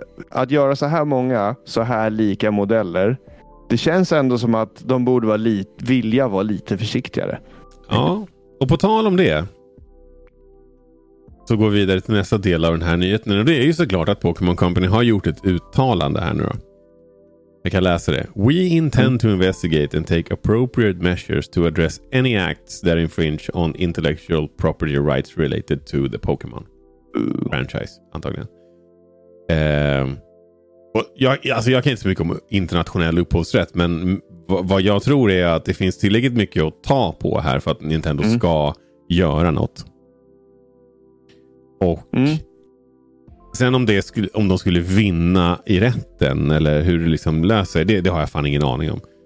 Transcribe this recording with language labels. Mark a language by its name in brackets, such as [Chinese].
[Swedish] att göra så här många så här lika modeller, det känns ändå som att de borde vilja vara lite försiktigare. Ja, och på tal om det så går vi vidare till nästa del av den här nyheten, och det är ju såklart att Pokémon Company har gjort ett uttalande här nu då. Jag kan läsa det. [English] We intend to investigate and take appropriate measures to address any acts that infringe on intellectual property rights related to the Pokémon franchise, antagligen. [Swedish] Jag kan inte så mycket om internationell upphovsrätt, men vad jag tror är att det finns tillräckligt mycket att ta på här för att Nintendo ska göra något. Och... Mm. Sen om de skulle vinna i rätten eller hur det liksom löser sig, det har jag fan ingen aning om.